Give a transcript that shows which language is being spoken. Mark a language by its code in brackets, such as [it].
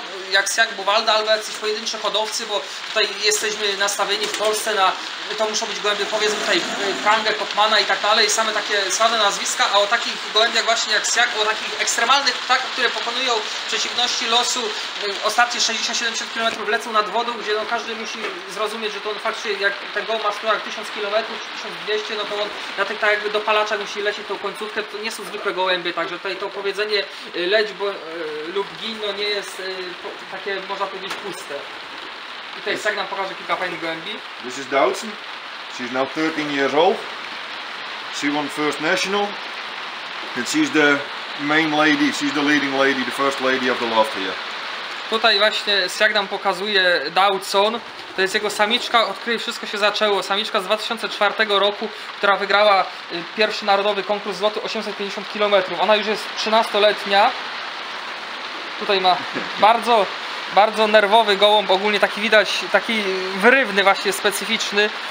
[pl] jak Siak Buwalda albo jakiś pojedynczy hodowcy, bo tutaj jesteśmy nastawieni w Polsce na, to muszą być gołębie, powiedzmy tutaj Kangę, Kotmana i tak dalej, same takie słabe nazwiska, a o takich gołębiach właśnie jak Siak, o takich ekstremalnych ptakach, które pokonują przeciwności losu, ostatnie 60-70 km lecą nad wodą, gdzie no każdy musi zrozumieć, że to on faktycznie jak tego ma skoro jak 1000 km czy 1200, no to on na tych tak jakby dopalaczach musi lecieć tą końcówkę, to nie są zwykłe gołębie. Także tutaj to powiedzenie leć lub gin no nie jest takie, można powiedzieć, puste. I tutaj Siak nam pokaże kilka fajnych gołębi. [en] This is Doutzen. She's now 13 years old. She won First National, and she's the main lady, she's the leading lady, the first lady of the loft here. [pl] Tutaj właśnie strzak nam pokazuje Dawson, to jest jego samiczka, od której wszystko się zaczęło. Samiczka z 2004 roku, która wygrała pierwszy narodowy konkurs złoty 850 km. Ona już jest 13-letnia. Tutaj ma bardzo, bardzo nerwowy gołąb, ogólnie taki widać, taki wyrywny właśnie, specyficzny.